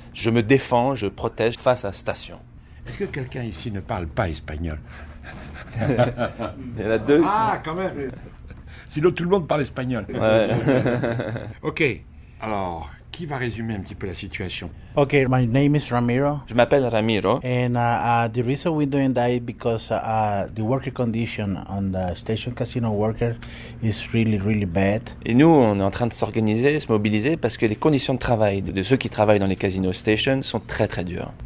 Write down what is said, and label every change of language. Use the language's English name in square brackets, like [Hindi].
[French] Je me défends, je protège face à station. Est-ce que quelqu'un ici ne parle pas espagnol? Il y en a deux. Ah, quand même. Sinon tout le monde parle espagnol. Ouais. Ok, alors. Qui va résumer un petit peu la situation? [English] Okay, my name is Ramiro. [French] Je m'appelle Ramiro. [English] And the reason we're doing that is because the worker condition on the station casino worker is really, really bad. [French] Et nous, on est en train de s'organiser, se mobiliser parce que les conditions de travail de ceux qui travaillent dans les casino stations sont très, très dures.